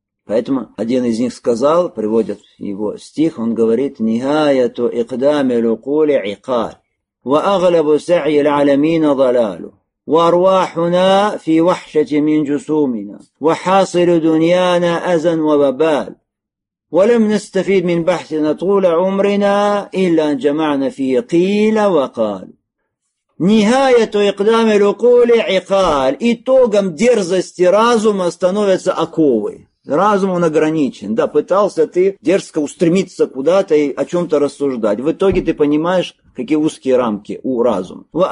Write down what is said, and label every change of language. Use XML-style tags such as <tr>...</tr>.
<ru>Поэтому один из них сказал, приводит его стих, он говорит, «Нихаяту икдами лукули икар, ва агалабу са'и л'алямина залалу, ва арвахуна фи вахшати мин джусумина, ва хасиру дуньяна азан ва бабал».</ru> <ar>وَلَمْ نَسْتَفِيدْ مِنْ بَحْثِنَا طُولَ عُمْرِنَا إِلَّا أَنْ جَمَعْنَا فِي قِيلَ وَقَالُ نِهَايَةُ إِقْدَامِ الْعُقُولِ عِقَالُ.</ar> <ru>Итогом дерзости разума становятся оковы. Разум он ограничен. Да, пытался ты дерзко устремиться куда-то и о чем-то рассуждать. В итоге ты понимаешь, какие узкие рамки у разума.</ru>